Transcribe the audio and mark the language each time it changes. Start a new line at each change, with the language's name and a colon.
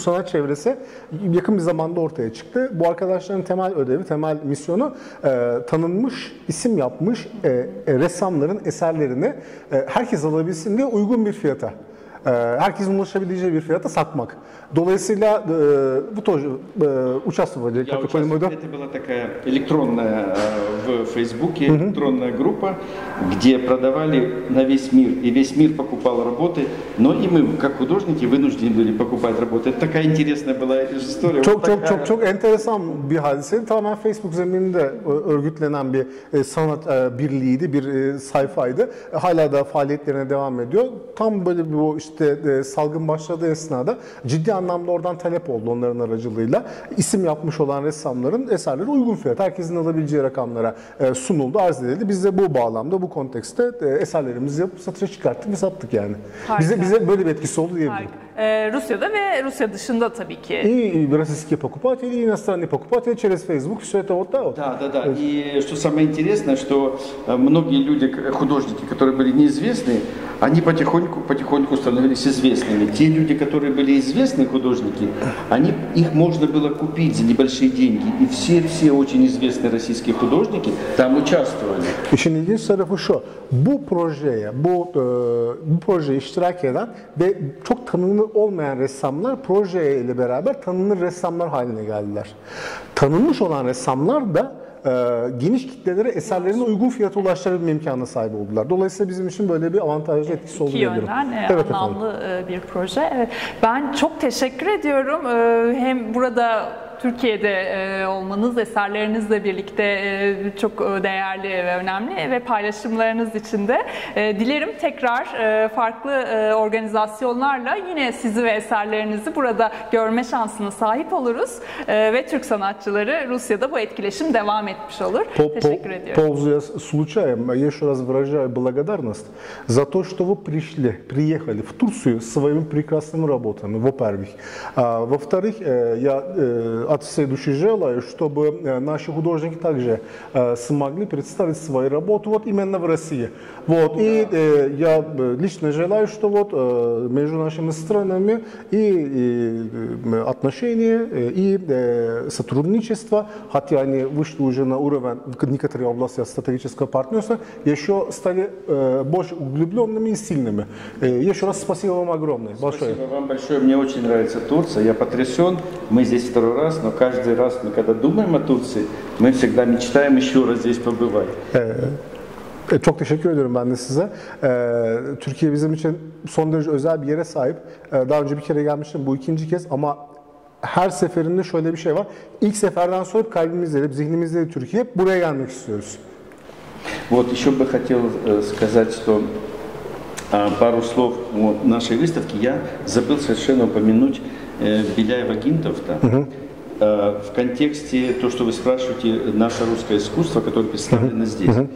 Turkish: Bu sanat çevresi yakın bir zamanda ortaya çıktı. Bu arkadaşların temel ödevi, temel misyonu tanınmış, isim yapmış ressamların eserlerini herkes alabilsin diye uygun bir fiyata, herkesin ulaşabileceği bir fiyata satmak. Dolayısıyla bu
Russian: участвовали, как вы поняли? Это была такая электронная в Фейсбуке электронная группа, где продавали на весь мир, и весь мир покупал работы, но и мы, как художники, вынуждены были покупать работы. Это такая интересная была история.
Turkish: Çok enteresan bir hadise. Tamamen Facebook zemininde örgütlenen bir sanat birliğiydi, bir sayfaydı. Hala da faaliyetlerine devam ediyor. Tam böyle bir bu işte salgın başladığı esnada ciddi anlamda oradan talep oldu onların aracılığıyla. İsim yapmış olan ressamların eserleri uygun fiyat, herkesin alabileceği rakamlara sunuldu, arz edildi. Biz de bu bağlamda, bu kontekste eserlerimizi yapıp satışa çıkarttık ve sattık yani. Harika. Bize böyle bir etkisi oldu diyebilirim. Rusya'da ve Rusya dışında tabii ki.
Russian: И российские покупатели, иностранные покупатели через Facebook, все это вот так вот. Да. И что самое интересное, что многие люди, художники, которые были неизвестны, они потихоньку становились известными. Те люди, которые были известны, художники, они, их можно было купить за небольшие деньги. И все очень известные российские художники там участвовали. Еще не один сарафу шо.
Turkish: Bu projeye, bu projeye iştirak eden ve çok tanınır olmayan ressamlar projeyle beraber tanınır ressamlar haline geldiler. Tanınmış olan ressamlar da geniş kitlelere eserlerini uygun fiyata ulaştırabilme imkanına sahip oldular. Dolayısıyla bizim için böyle bir avantajlı etkisi oldu diyebilirim. Evet, anlamlı efendim. Bir proje. Ben çok teşekkür ediyorum. Hem burada Türkiye'de olmanız, eserlerinizle birlikte çok değerli ve önemli ve paylaşımlarınız için de dilerim tekrar farklı organizasyonlarla yine sizi ve eserlerinizi burada görme şansına sahip oluruz ve Türk sanatçıları Rusya'da bu etkileşim devam etmiş olur. Teşekkür ediyorum.
Russian: Pozuya случаем, я ещё раз выражаю благодарность за то, что вы приехали в Турцию с своими прекрасными работами, во-первых. Во-вторых, я от всей души желаю, чтобы наши художники также смогли представить свою работу вот именно в России. Вот. Да. И я лично желаю, что вот между нашими странами и отношения, и сотрудничество, хотя они вышли уже на уровень некоторых областей стратегического партнерства, еще стали больше углубленными и сильными. Еще раз спасибо вам огромное. Спасибо большое. Вам большое. Мне очень нравится Турция. Я потрясен. Мы здесь второй раз, но каждый раз, мы когда думаем о Турции, мы всегда мечтаем еще раз здесь побывать.
Turkish: Çok teşekkür ediyorum ben de size. Türkiye bizim için son derece özel bir yere sahip. Daha önce bir kere gelmiştim, bu ikinci kez ama her seferinde şöyle bir şey var. İlk seferden sonra kalbimizle, zihnimizle Türkiye hep buraya gelmek istiyoruz.
Russian: Вот еще бы хотел сказать, что пару слов о нашей выставке. Я забыл совершенно упомянуть Беляева-Гинтовта. В контексте того, что вы спрашиваете, наше русское искусство, которое представлено здесь.